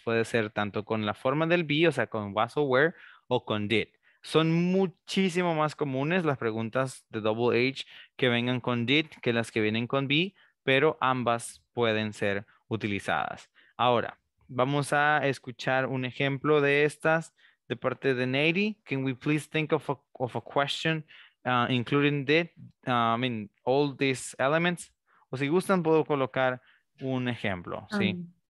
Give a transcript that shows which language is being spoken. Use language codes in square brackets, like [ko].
[es] Puede ser tanto con la forma del be, o sea, con was or were, o con did. Son muchísimo más comunes las preguntas de double H que vengan con did que las que vienen con be, pero ambas pueden ser utilizadas. Ahora, vamos a escuchar un ejemplo de estas. De parte de Nady, [en] can we please think of a question including did, I mean, all these elements? [es] O si gustan, puedo colocar un ejemplo, ¿sí?